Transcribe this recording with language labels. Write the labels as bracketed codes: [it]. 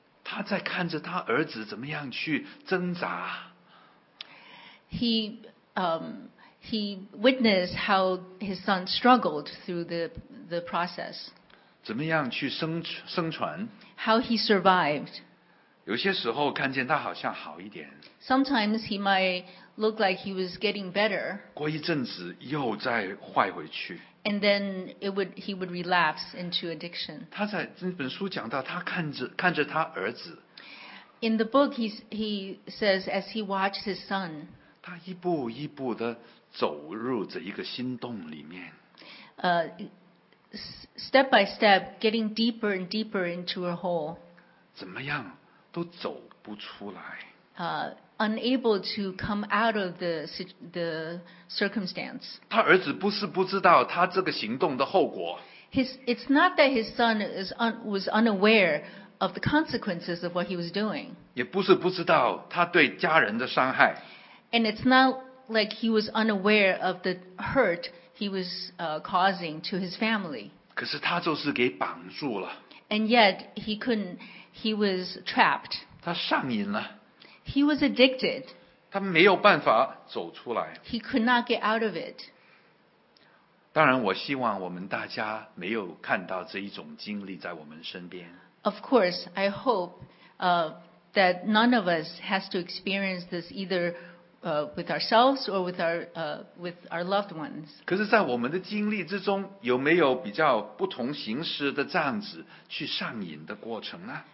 [zh] 他在看着他儿子怎么样去挣扎 [en] He witnessed how his son struggled through the process. [zh] 怎么样去生存 [en] How he survived. [zh] 有些时候看见他好像好一点 [en] Sometimes he might look like he was getting better. [zh] 过一阵子又再坏回去 [en] And then he would relapse into addiction. [zh] 他在这本书讲到他看着他儿子 [en] In the book he says as he watched his son. [zh] 他一步一步地走入这一个心洞里面。 [en] Step by step, getting deeper and deeper into a hole. [zh] 怎么样都走不出来。 [en] Unable to come out of the circumstance. [zh] 他儿子不是不知道他这个行动的后果。 [en] It's not that his son was unaware of the consequences of what he was doing. [zh] 也不是不知道他对家人的伤害。 [en] And it's not like he was unaware of the hurt he was causing to his family. [zh] 可是他就是给绑住了。 [en] And yet, he couldn't he was trapped. [zh] 他上瘾了。 [en] He was addicted. [zh] 他没有办法走出来。 [en] He could not get out of it. [zh] 当然，我希望我们大家没有看到这一种经历在我们身边。 [en] Of course, I hope, that none of us has to experience this either, with ourselves or with our loved ones. [zh] 可是在我们的经历之中，有没有比较不同形式的这样子去上瘾的过程呢？